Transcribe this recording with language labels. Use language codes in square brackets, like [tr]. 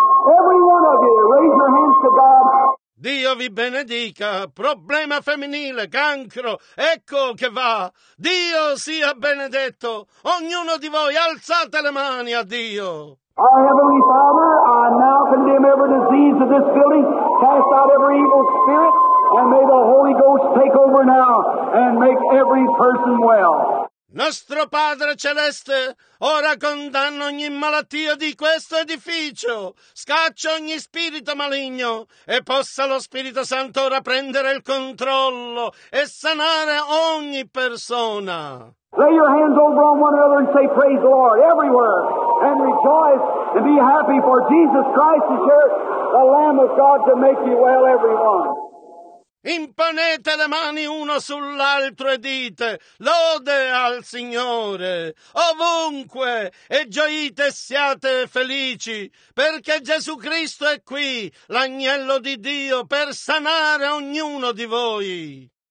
[en] Every one of you, raise your hands to God. [it] Dio vi benedica. Problema femminile, cancro. Ecco che va. Dio sia benedetto. Ognuno di voi alzate le mani a Dio. [en] Our Heavenly Father, I now condemn every disease of this building. Cast out every evil spirit. And may the Holy Ghost take over now and make every person well. [it] Nostro Padre Celeste, ora condanno ogni malattia di questo edificio. Scaccio ogni spirito maligno e possa lo Spirito Santo ora prendere il controllo e sanare ogni persona. [en] Lay your hands over on one another and say, praise the Lord, everywhere. And rejoice and be happy for Jesus Christ is here, the Lamb of God, to make you well, everyone. [it] Imponete le mani uno sull'altro e dite lode al Signore ovunque e gioite e siate felici perché Gesù Cristo è qui, l'agnello di Dio, per sanare ognuno di voi.